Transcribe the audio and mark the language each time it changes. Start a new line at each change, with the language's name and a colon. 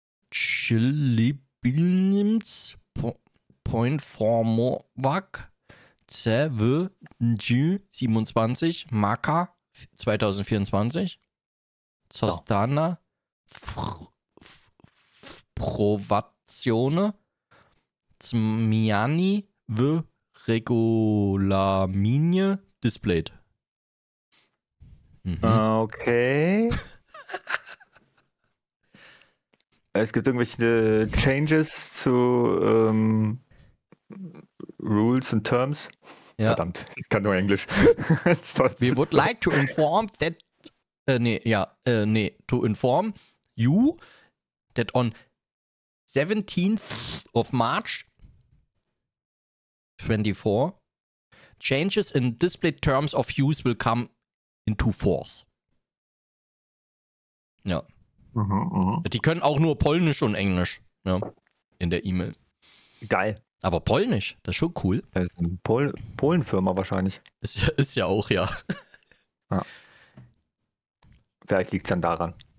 German: Chilibilnims Point Formovac CV 27 Maka 2024 Zostana Provazione Zmiani V Regolamine Displayed. Mhm. Okay. Es gibt irgendwelche Changes zu
English: Rules and Terms.
German: Ja. Verdammt, ich kann nur Englisch.
English: We would like to inform that to inform you that on 17th of March 24 changes in display terms of use will come into force.
German: Ja. Mhm, die können auch nur Polnisch und Englisch, ja, in der E-Mail. Geil. Aber Polnisch, das ist schon cool. Das ist eine Polenfirma wahrscheinlich. Ist ja auch, ja. Ja. Vielleicht liegt es dann daran.